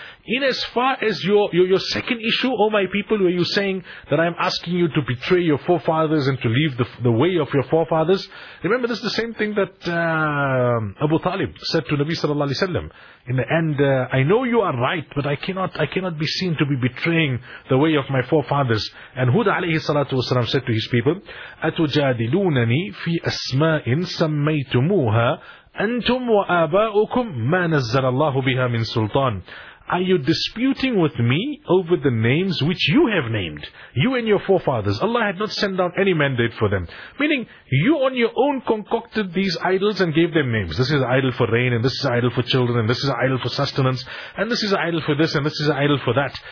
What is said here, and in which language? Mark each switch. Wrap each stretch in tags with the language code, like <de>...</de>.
<en>In as far as your second issue, oh my people, where you're saying that I'm asking you to betray your forefathers and to leave the way of your forefathers, remember this is the same thing that Abu Talib said to Nabi sallallahu alaihi wasallam. In the end, I know you are right, but I cannot be seen to be betraying the way of my forefathers. And Hud alayhi salatu wasalam said to his people,</en> <ar>أتجادلونني في أسماء سميتموها أنتم وآباؤكم ما نزل الله بها من سلطان.</ar> <en>Are you disputing with me over the names which you have named? You and your forefathers. Allah had not sent down any mandate for them. Meaning, you on your own concocted these idols and gave them names. This is an idol for rain, and this is an idol for children, and this is an idol for sustenance, and this is an idol for this, and this is an idol for that.</en>